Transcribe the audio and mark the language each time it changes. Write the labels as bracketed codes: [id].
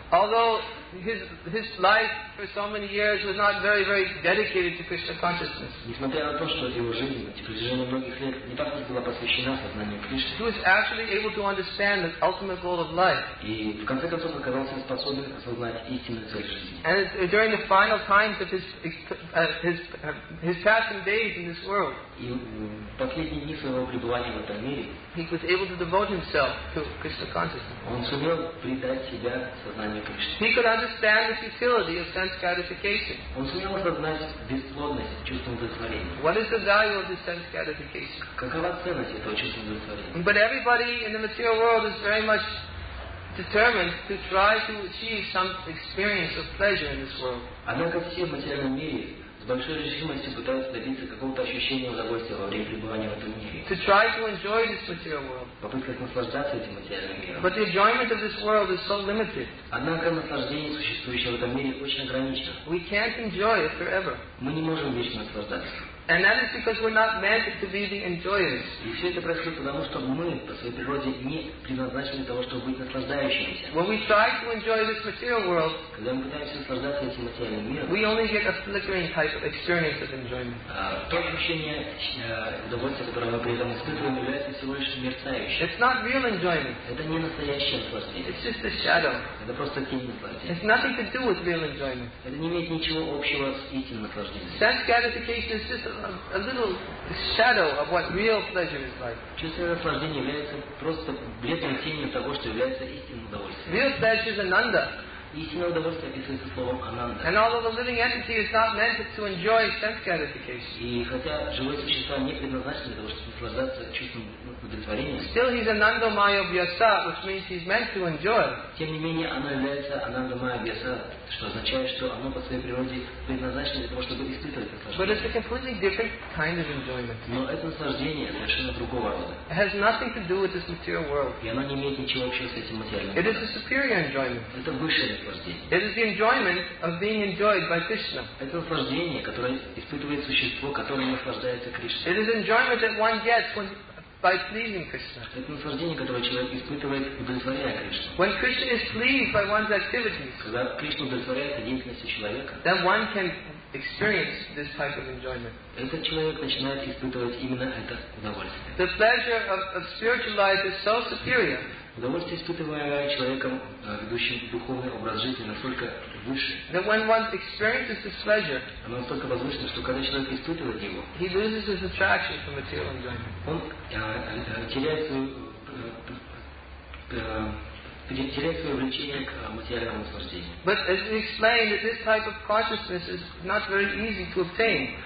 [en] Although his life for so many years was not very, very dedicated to Krishna consciousness. [ru] Несмотря на то, что его жизнь на протяжении многих лет не так уж была посвящена сознанию Кришны. [en] He was actually able to understand the ultimate goal of life. [ru] И в конце концов оказался способен осознать истинную цель жизни. [en] And during the final times of his passing days in this world. [ru] И последние дни своего пребывания в этом мире. [en] He was able to devote himself to Krishna consciousness. [ru] Он сумел предать себя сознанию Кришны. [en] He could understand the futility of sense gratification. [ru] Он сумел осознать бесплодность чувства удовлетворения. [en] What is the value of this sense gratification? [ru] Какова ценность этого чувства удовлетворения? [en] But everybody in the material world is very much determined to try to achieve some experience of pleasure in this world. [ru] Однако все в материальном мире с большой решимостью пытаются добиться какого-то ощущения удовольствия во время пребывания в этом мире. [en] To try to enjoy this material world. [ru] Попытка наслаждаться этим материальным миром. [en] But the enjoyment of this world is so limited. [ru] Однако наслаждение, существующее в этом мире, очень ограничено. [en] We can't enjoy it forever. [ru] Мы не можем вечно наслаждаться. [en] And that is because we're not meant to be the enjoyers. [ru] И все это происходит потому, что мы по своей природе не предназначены для того, чтобы быть наслаждающимися. [en] When we try to enjoy this material world, [ru] когда мы пытаемся наслаждаться этим материальным миром, [en] we only get a flickering type of experience of enjoyment. [ru] То ощущение удовольствия, которое мы при этом испытываем, является всего лишь мерцающим. [en] It's not real enjoyment. [ru] Это не настоящее наслаждение. [en] It's just a shadow. [ru] Это просто тень наслаждения. [en] It's nothing to do with real enjoyment. [ru] Это не имеет ничего общего с истинным наслаждением. [en] Sense gratification is just a little shadow of what real pleasure is like. [ru] Чувство наслаждения является просто бледной тенью того, что является истинным удовольствием. [en] Real pleasure is ananda. [ru] Истинное удовольствие описывается словом ананда. [en] And although the living entity is not meant to enjoy sense gratification. [ru] И хотя живое существо не предназначено для того, чтобы наслаждаться чувством удовлетворения. [en] Still he's ananda maya vyasa, which means he's meant to enjoy. [ru] Тем не менее, оно является ананда maya vyasa, что означает, что оно по своей природе предназначено для того, чтобы испытывать наслаждение. [en] But it's a completely different kind of enjoyment. [ru] Но это наслаждение совершенно другого рода. [en] It has nothing to do with this material world. [ru] И оно не имеет ничего общего с этим материальным. [en] It is a superior enjoyment. [ru] Это высшее. [en] It is the enjoyment of being enjoyed by Krishna. [ru] Это наслаждение, которое испытывает существо, которое наслаждается Кришной. [en] It is enjoyment that one gets when by pleasing Krishna. [ru] Это наслаждение, которое человек испытывает, удовлетворяя Кришну. [en] When Krishna is pleased by one's activities, [ru] когда Кришна удовлетворяет деятельности человека, [en] then one can experience this type of enjoyment. [ru] Этот человек начинает испытывать именно это удовольствие. [en] The pleasure of spiritual life is so superior. [ru] Удовольствие, испытываемое человеком, ведущим духовный образ жизни, настолько выше. [en] That when one experiences this pleasure, [ru] оно настолько возвышено, что когда человек испытывает его, [en] he loses his attraction for material enjoyment. [ru] Он теряет свое влечение к материальному наслаждению. [en] But as we explained, that this type of consciousness is not very easy to obtain.